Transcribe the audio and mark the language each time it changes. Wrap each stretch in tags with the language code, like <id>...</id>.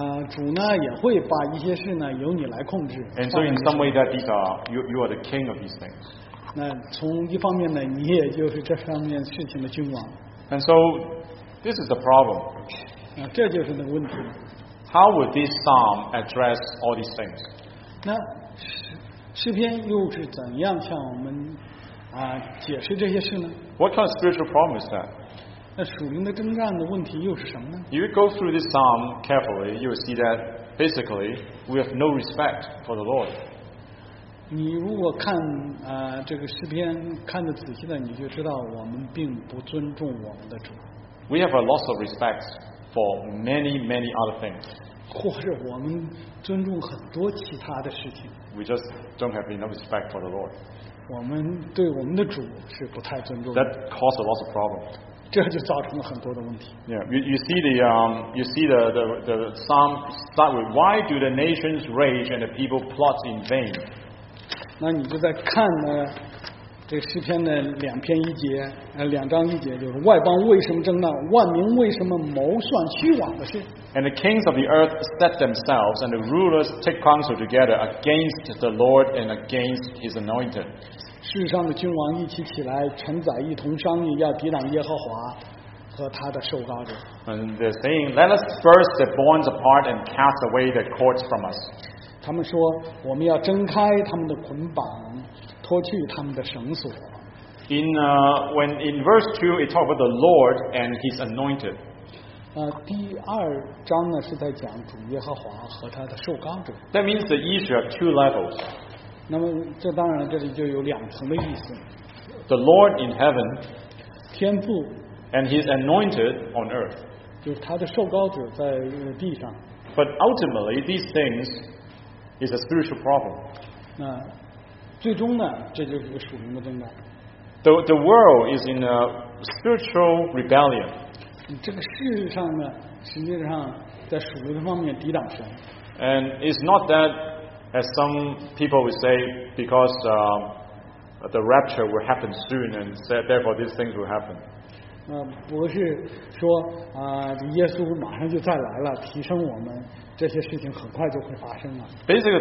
<zh>主呢也会把一些事呢由你来控制。</zh> <en>And so in some way that these are you are the king of these things.</en> <zh>那从一方面呢，你也就是这方面事情的君王。</zh> <en>And so this is the problem.</en> <zh>这就是那个问题。</zh> <en>How would this psalm address all these things?</en> <zh>那。诗篇又是怎样向我们解释这些事呢</zh> <en>？What kind of spiritual problem is that？</en> <zh>那属灵的征战的问题又是什么呢</zh> <en>？You go through this psalm carefully, you will see that basically we have no respect for the Lord.</en> <zh>你如果看这个诗篇看得仔细的，你就知道我们并不尊重我们的主。</zh> <en>We have a loss of respect for many, many other things.</en> <zh>或者我们尊重很多其他的事情。</zh> <en>We just don't have enough respect for the Lord.</en> <zh>我们对我们的主是不太尊重。</zh> <en>That causes a lot of problems.</en> <zh>这就造成了很多的问题。</zh> <en>Yeah, you see the psalm start with Why do the nations rage and the people plot in vain?</en> <zh>那你就在看呢，这诗篇的两篇一节，两章一节，就是外邦为什么争闹，万民为什么谋算虚妄的事。</zh> <en>And the kings of the earth set themselves, and the rulers take counsel together against the Lord and against His anointed.</en> <zh>世上的君王一起起来，臣宰一同商议，要抵挡耶和华和他的受膏者。</zh> <en>And they're saying, "Let us burst the bonds apart and cast away the cords from us."</en> <zh>他们说，我们要挣开他们的捆绑，脱去他们的绳索。</zh> <en>In verse 2, it talks about the Lord and His anointed.</en> <zh>第二章呢是在讲主耶和华和他的受膏者。</zh> <en>That means the issue are two levels.</en> <zh>那么这当然这里就有两层的意思。</zh> <en>The Lord in heaven,</en> <zh>天父</zh> <en>and His anointed on earth.</en> <zh>就是他的受膏者在地上。</zh> <en>But ultimately, these things is a spiritual problem.</en> <zh>最终呢，这就是属灵的争端。</zh> <en>The world is in a spiritual rebellion.</en> <zh>这个事实上呢，实际上在属灵的方面抵挡神。</zh> <en>And it's not that, as some people would say, because the rapture will happen soon, and therefore these things will happen.</en> <zh>不是说耶稣马上就再来了，提升我们，这些事情很快就会发生了。</zh> <en>Basically,</en>